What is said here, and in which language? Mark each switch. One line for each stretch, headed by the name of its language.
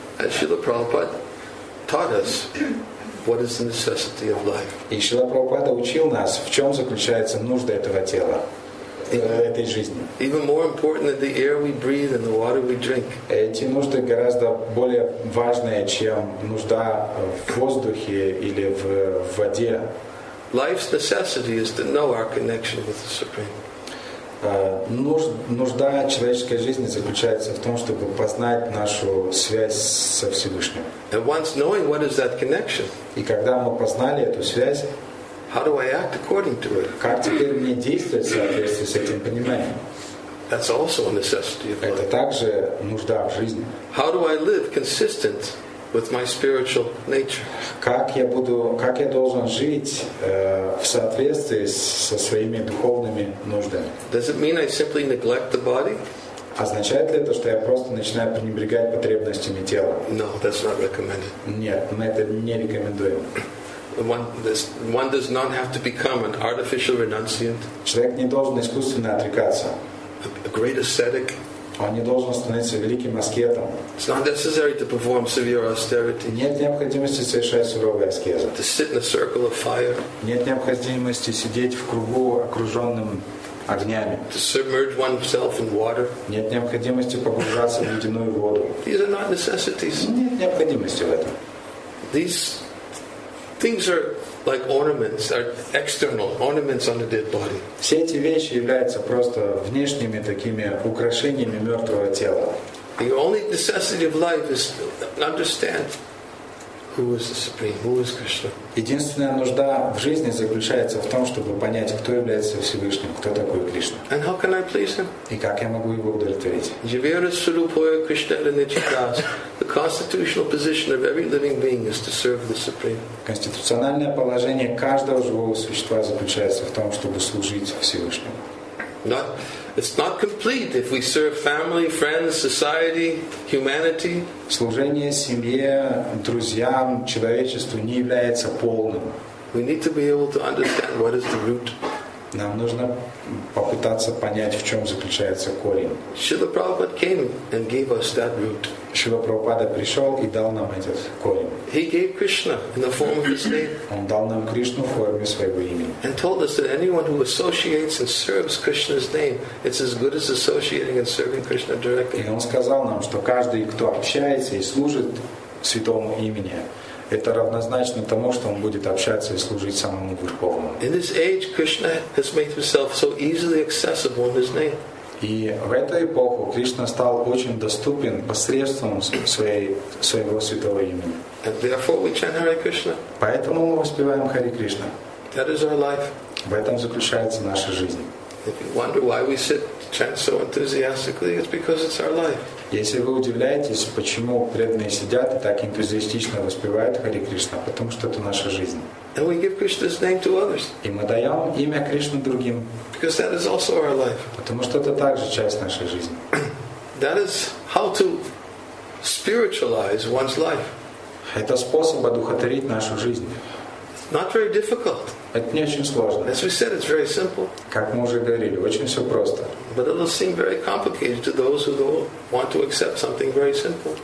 English: As Srila Prabhupada taught us, what is the necessity of life?
Russian: И Шрила Прабхупада учил нас, в чем заключается нужда этого тела. Этой жизни.
English: Even more important than the air we breathe and the water we drink.
Russian: Эти нужды гораздо более важные, чем нужда в воздухе или в воде.
English: Life's necessity is to know our connection with the Supreme.
Russian: Нужда человеческой жизни заключается в том, чтобы познать нашу связь со Всевышним.
English: And once knowing what is that connection.
Russian: И когда мы познали эту связь.
English: How do I act according to it?
Russian: Как теперь мне действовать в соответствии с этим пониманием?
English: That's also a necessity of life.
Russian: Это также нужда в жизни.
English: How do I live consistent with my spiritual nature?
Russian: Как я должен жить в соответствии со своими духовными нуждами?
English: Does it mean I simply neglect the body?
Russian: Означает ли это, что я просто начинаю пренебрегать потребностями тела?
English: No, that's not recommended.
Russian: Нет, мы это не рекомендуем.
English: One does not have to become an artificial renunciant.
Russian: Человек не должен искусственно отрекаться.
English: A great ascetic.
Russian: Он не должен становиться великим аскетом.
English: It's not necessary to perform severe austerity.
Russian: Нет необходимости совершать суровые аскезы.
English: To sit in a circle of fire.
Russian: Нет необходимости сидеть в кругу, окруженным огнями.
English: To submerge oneself in water.
Russian: Нет необходимости погружаться в ледяную воду.
English: These are not necessities.
Russian: Нет необходимости в этом.
English: These things are like ornaments, are external ornaments on the dead body.
Russian: Все эти вещи являются просто внешними такими украшениями мертвого тела.
English: The only necessity of life is to understand who is the supreme, who is Krishna.
Russian: Единственная нужда в жизни заключается в том, чтобы понять, кто является Всевышним, кто такой Кришна.
English: And how can I please him?
Russian: И как я могу его удовлетворить?
Bangla: Jivira surupoya krishnara nityakas.
English: The constitutional position of every living being is to serve the supreme.
Russian: Конституциональное положение каждого живого существа заключается в том, чтобы служить Всевышнему.
English: It's not complete if we serve family, friends, society, humanity.
Russian: Служение семье, друзьям, человечеству не является полным.
English: We need to be able to understand what is the root.
Russian: Нам нужно попытаться понять, в чем заключается корень.
English: Шрила Прабхупада came and gave us that root.
Russian: Шрила Прабхупада пришел и дал нам этот корень.
English: He gave Krishna in the form of his name.
Russian: Он дал нам Кришну в форме своего имени.
English: And told us that anyone who associates and serves Krishna's name, it's as good as associating and serving Krishna directly.
Russian: И он сказал нам, что каждый, кто общается и служит святому имени, это равнозначно тому, что он будет общаться и служить самому Верховному.
English: In this age, Krishna has made himself so easily accessible in his name.
Russian: И в эту эпоху Кришна стал очень доступен посредством своего святого имени.
English: And therefore we chant Hare Krishna.
Russian: Поэтому мы воспеваем Хари Кришна.
English: That is our life.
Russian: В этом заключается наша жизнь.
English: If you wonder why we sit chant so enthusiastically, it's because it's our life.
Russian: Если вы удивляетесь, почему преданные сидят и так энтузиастично воспевают Хари Кришна, потому что это наша жизнь.
English: And we give Krishna's name to others.
Russian: И мы даем имя Кришны другим.
English: Because that is also our life.
Russian: Потому что это также часть нашей жизни.
English: That is how to spiritualize one's life.
Russian: Это способ одухотворить нашу жизнь.
English: Not very difficult.
Russian: Это не очень сложно.
English: As we said, it's very simple.
Russian: Как мы уже говорили, очень все просто.
English: But it will seem very complicated to those who don't want to accept something very simple.